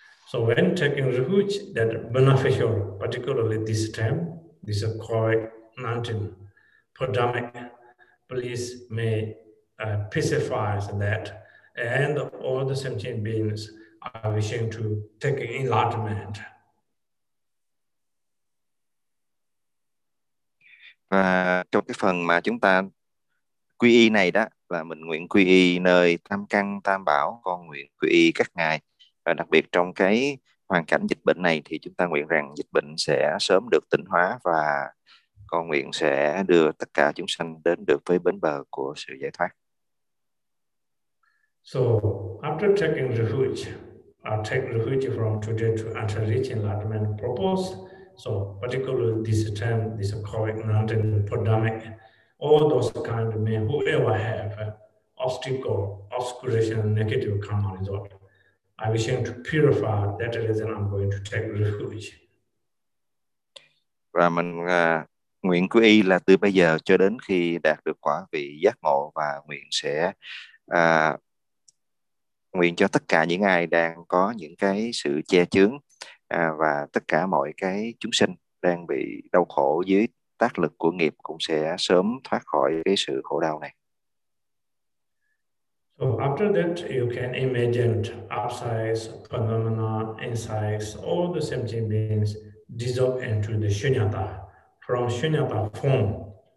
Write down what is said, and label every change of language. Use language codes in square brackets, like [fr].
[en] So when taking refuge, that beneficial, particularly this time, this COVID-19 pandemic, please may pacify that, and all the sentient beings are wishing to take enlightenment. [vi] Và trong cái phần mà chúng ta quy y này đó, là mình nguyện quy y nơi tam căn tam bảo, con nguyện quy y các ngài. Và đặc biệt trong cái hoàn cảnh dịch bệnh này thì chúng ta nguyện rằng dịch bệnh sẽ sớm được tỉnh hóa và con nguyện sẽ đưa tất cả chúng sanh đến được với bến bờ của sự giải thoát. [en] So, after taking refuge, I take refuge from today to until reaching enlightenment purpose. So, particularly this time, this COVID-19 pandemic, all those kind of men, whoever have obstacle, obscuration, negative karma result, I wish him to purify. That reason I'm going to take refuge. [vi] Và mình nguyện quy y là từ bây giờ cho đến khi đạt được quả vị giác ngộ, và nguyện sẽ nguyện cho tất cả những ai đang có những cái sự che chướng và tất cả mọi cái chúng sinh đang bị đau khổ dưới tác lực của nghiệp cũng sẽ sớm thoát khỏi cái sự khổ đau này. [en] So after that, you can imagine upsides, phenomena, insights, all the sentient beings dissolve into the shunyata, from shunyata form.